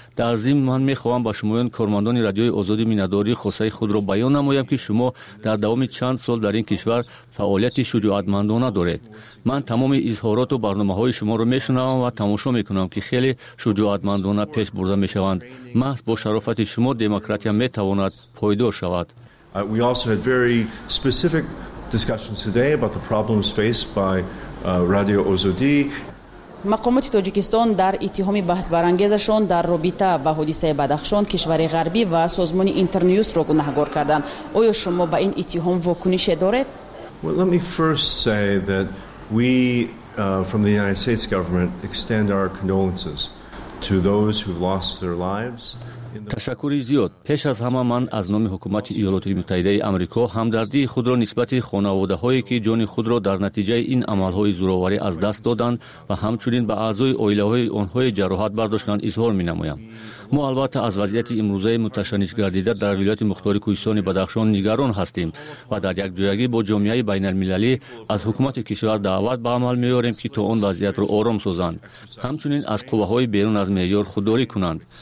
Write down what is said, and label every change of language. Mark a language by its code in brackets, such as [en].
[fa] در ضمن من می خواهم با شمایان کارمندان رادیوی آزادی مینداری خواسته خود را بیان نمایم که شما در دوام چند سال در این کشور فعالیت شجاعتمندانه دارید. من تمام اظهارات و برنامه های شما را می شنوم و تماشا می کنم که خیلی شجاعتمندانه پیش برده می شوند. محض با شرافت شما دموکراسی می تواند پایدار شود. [en] We also had very specific discussions today about the problems faced by Radio Ozodi. [fa] مقامات تاجیکستان در اتهام بحث برانگیزشان در رابطه با حادثه بدخشان کشور غربی و سازمان اینترنیوز را گناهکار کردند. آیا شما به این اتهام واکنشی دارید؟ [en] Well, let me first say that we from the United States government extend our condolences to those who've lost their lives. [fa] تشکری زیاد. پیش از همه من از نام حکومت ایالات متحده آمریکا همدردی خود را نسبت خانواده هایی که جان خود را در نتیجه این عمل های زورآوری از دست دادند و همچنین به اعضای آیله های آنهای جراحت برداشتند اظهار می نمایم. ما البته از وضعیت امروزه متشنج گردیده در ولایت مختار کوهستان بدخشان نگران هستیم و در یک جایگی با جامعه بین المللی از حکومت کشور دعوت به عمل می آوریم که تا آن وضعیت را آرام سازند، همچنین از قوه های بیرون از معیار خودداری کنند.